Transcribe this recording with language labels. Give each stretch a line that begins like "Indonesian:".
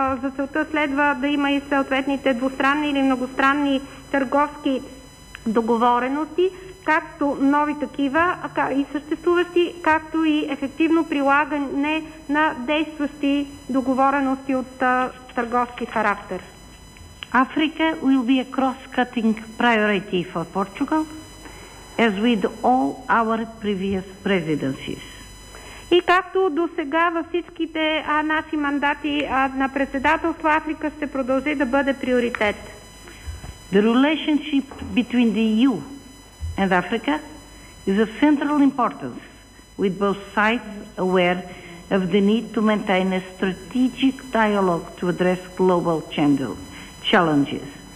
Bulgarian: За целта следва да има и съответните двустранни или многостранни търговски договорености, както нови такива и съществуващи, както и ефективно прилагане на действащи договорености от търговски характер.
English: Africa will be a cross-cutting priority for Portugal, as with all our previous presidencies.
Bulgarian: И както до сега във всичките наши мандати на председателство, Африка ще продължи да бъде приоритет.
English: The relationship between the EU and Africa is of central importance, with both sides aware of the need to maintain a strategic dialogue to address global challenges,